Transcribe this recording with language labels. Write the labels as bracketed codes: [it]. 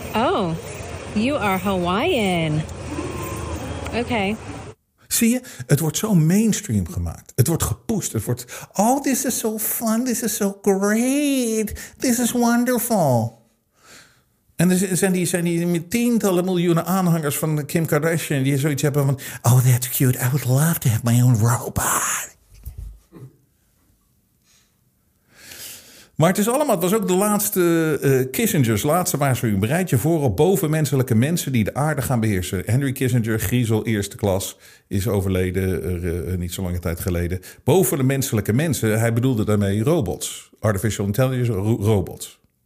[en] Oh, you are Hawaiian. Okay. [nl] Zie je, het wordt zo mainstream gemaakt. Het wordt gepusht. Het wordt... [en] Oh, this is so fun. This is so great. This is wonderful. [nl] En er zijn die met tientallen miljoenen aanhangers van Kim Kardashian... die zoiets hebben van... [en] Oh, that's cute. I would love to have my own robot. [nl] Maar het is allemaal... Het was ook de laatste Kissinger's. Laatste waarschuwing. Bereid je voor op bovenmenselijke mensen... die de aarde gaan beheersen. Henry Kissinger, griezel, eerste klas... is overleden niet zo lange tijd geleden. Boven de menselijke mensen. Hij bedoelde daarmee robots. Artificial intelligence, robots.